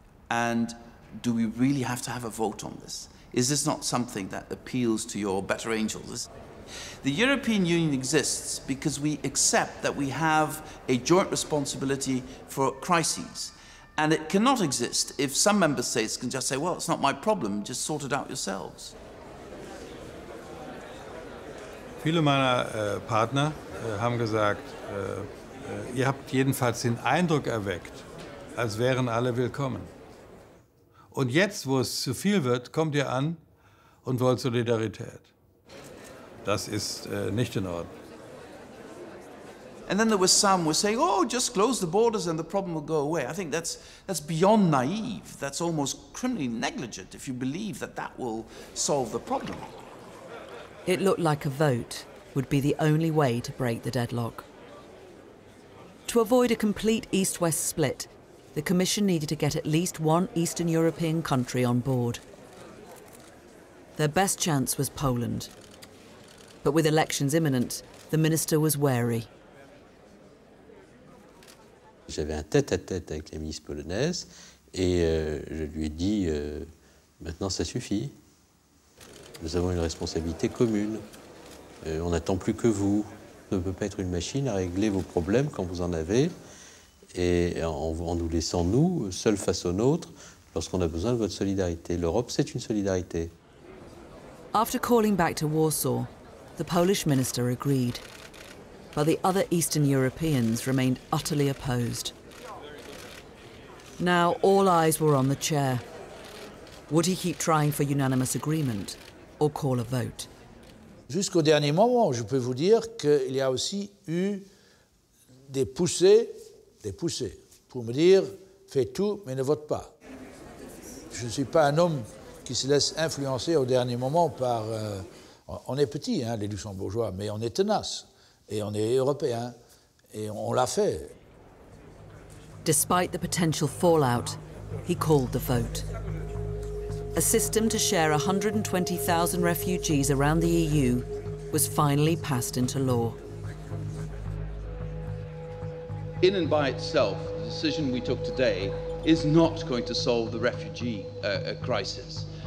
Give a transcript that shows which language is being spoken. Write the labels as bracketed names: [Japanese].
[English] And do we really have to have a vote on this? Is this not something that appeals to your better angels? The European Union exists because we accept that we have a joint responsibility for crises. And it cannot exist if some member states can just say, well, it's not my problem, just sort it out yourselves. [German] Viele meiner Partner haben gesagt, ihr habt jedenfalls den Eindruck erweckt, als wären alle willkommen. Und jetzt, wo es zu viel wird, kommt ihr an und wollt Solidarität. Das ist nicht in Ordnung. [English] And then there were some who were saying, oh, just close the borders and the problem will go away. I think that's beyond naive. That's almost criminally negligent if you believe that that will solve the problem. It looked like a vote would be the only way to break the deadlock. To avoid a complete east-west split, the Commission needed to get at least one Eastern European country on board. Their best chance was Poland. But with elections imminent, the minister was wary. [French] J'avais un tête-à-tête avec la ministre polonaise et je lui ai dit maintenant ça suffit. Nous avons une responsabilité commune. On n'attend plus que vous. On ne peut pas être une machine à régler vos problèmes quand vous en avez et en nous laissant nous seuls face aux nôtres lorsqu'on a besoin de votre solidarité. L'Europe, c'est une solidarité. [English] After calling back to Warsaw, the Polish minister agreed. But the other Eastern Europeans remained utterly opposed. Now all eyes were on the chair. Would he keep trying for unanimous agreement or call a vote? [French] Jusqu'au dernier moment, je peux vous dire qu'il y a aussi eu des poussées, pour me dire, fais tout, mais ne vote pas. Je ne suis pas un homme qui se laisse influencer au dernier moment par... on est petit, hein, les Luxembourgeois, mais on est tenace. Et on est européen, et on l'a fait. [English] Despite the potential fallout, he called the vote. A system to share 120,000 refugees around the EU was finally passed into law. In and by itself, the decision we took today is not going to solve the refugee crisis.